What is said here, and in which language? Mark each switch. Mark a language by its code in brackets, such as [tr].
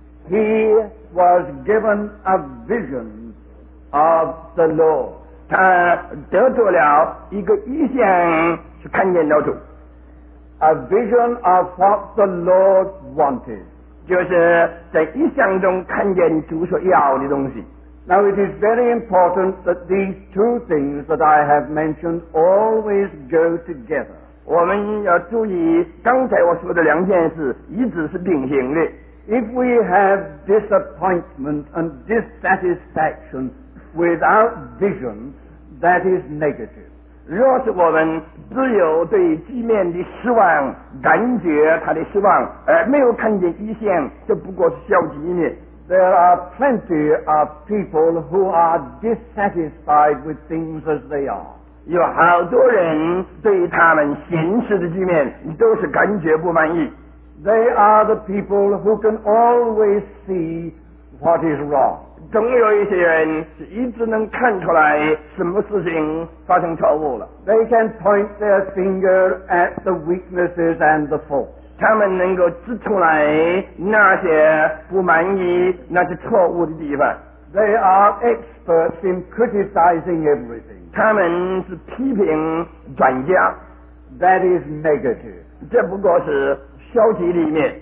[en] He was given a vision of the Lord. [zh] 他得着了一个异象，是看见了主。 [en] A vision of what the Lord wanted. [zh] 就是在异象中看见主所要的东西。 [en] Now it is very important that these two things that I have mentioned always go together. [zh] 我们要注意刚才我说的两件事一直是并行的。 [en] If we have disappointment and dissatisfaction without vision, that is negative. [zh] 若是我们只有对地面的失望感觉它的失望而没有看见一线这不过是消极的。 [en] There are plenty of people who are dissatisfied with things as they are. [zh] 有好多人对他们现实的局面都是感觉不满意。 [en] They are the people who can always see what is wrong. [zh] 总有一些人是一直能看出来什么事情发生错误了。 [en] They can point their finger at the weaknesses and the faults. [zh] 他们能够指出来那些不满意那些错误的地方。 [en] They are experts in criticizing everything. [zh] 他们是批评专家。 [en] That is negative. [zh] 这不过是消极的一面。